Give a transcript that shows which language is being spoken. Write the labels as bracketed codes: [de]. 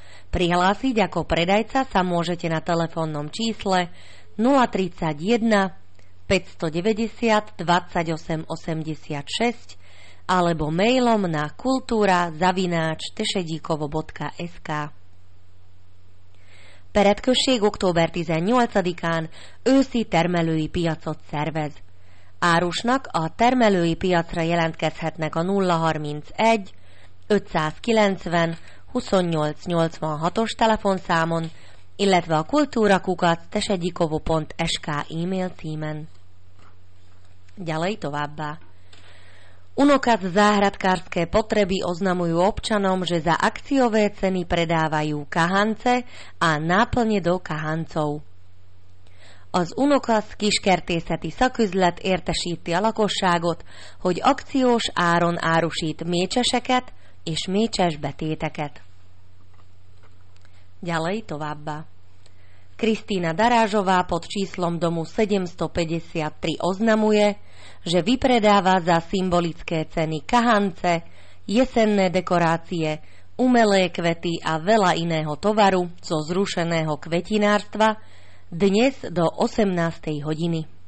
[sk] Prihlásiť ako predajca sa môžete na telefónnom čísle 031 590 28 86 alebo mailom na kultura@tešedikovo.sk. [hu] Peretkösség október 18-án őszi termelői piacot szervez. Árusnak a termelői piacra jelentkezhetnek a 031 590 2886-os telefonszámon, illetve a kultúra@tesegyikovo.sk e-mail címen. [sk] Ďalej [hu] továbbá. [sk] Unokac záhradkárske potreby oznamujú občanom, že za akciové ceny predávajú kahance a náplne do kahancov. [hu] Az Unokasz kiskertészeti szaküzlet értesíti a lakosságot, hogy akciós áron árusít mécseseket és mécses betéteket. [sk] Ďalej [hu] továbbá. [sk] Krisztina Darázsová pod číslom domu 753 oznamuje, že vypredáva za symbolické ceny kahance, jesenné dekorácie, umelé kvety a veľa iného tovaru zo zrušeného kvetinárstva, dnes do 18. hodiny.